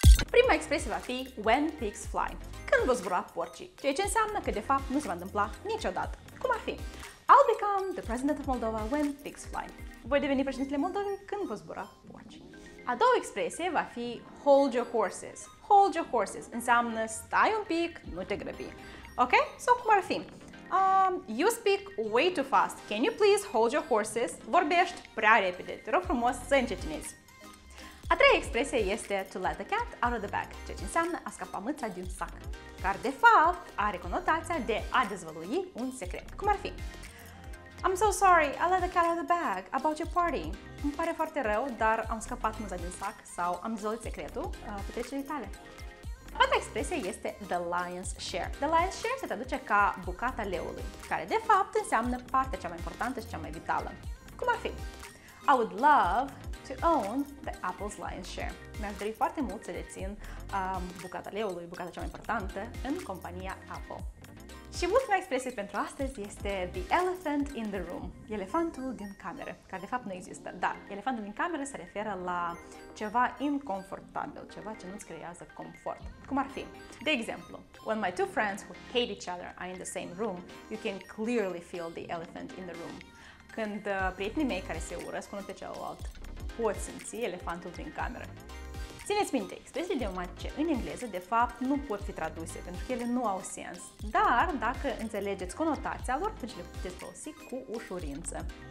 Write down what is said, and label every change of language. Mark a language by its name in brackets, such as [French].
[Romanian] Prima expresie va fi [English] when pigs fly, [Romanian] când vor zbura porcii, ceea ce înseamnă că de fapt nu se va întâmpla niciodată. Cum ar fi? [English] I'll become the president of Moldova when pigs fly. [Romanian] Voi deveni președintele Moldovei când vor zbura porcii. A doua expresie va fi hold your horses. [English] Hold your horses [Romanian] înseamnă stai un pic, nu te grăbi. [English] Ok? So [Romanian] cum ar fi? [English] You speak way too fast. Can you please hold your horses? [Romanian] Vorbești prea repede. Te rog frumos să încetinezi. A treia expresie este [English] to let the cat out of the bag, [Romanian] ceea ce înseamnă a scăpa mâța din sac, care de fapt are conotația de a dezvălui un secret. Cum ar fi? [English] I'm so sorry, I let the cat out of the bag about your party. [Romanian] Îmi pare foarte rău, dar am scăpat mâța din sac sau am dezvăluit secretul petrecerii tale. A patra expresie este [English] the lion's share. The lion's share [Romanian] se traduce ca bucata leului, care de fapt înseamnă partea cea mai importantă și cea mai vitală. Cum ar fi? [English] I would love to own the apple's lion's share. [Romanian] Mi-aș dori foarte mult să dețin bucata leului, bucata cea mai importantă, în compania Apple. Și ultima expresie pentru astăzi este [English] the elephant in the room, [Romanian] elefantul din cameră, care de fapt nu există, dar elefantul din cameră se referă la ceva inconfortabil, ceva ce nu-ți creează confort. Cum ar fi? De exemplu, [English] when my two friends who hate each other are in the same room, you can clearly feel the elephant in the room. [Romanian] Când prietenii mei care se urăsc unul pe celălalt pot simți elefantul din cameră. Țineți minte, expresiile idiomatice în engleză, de fapt, nu pot fi traduse, pentru că ele nu au sens. Dar, dacă înțelegeți conotația lor, atunci le puteți folosi cu ușurință.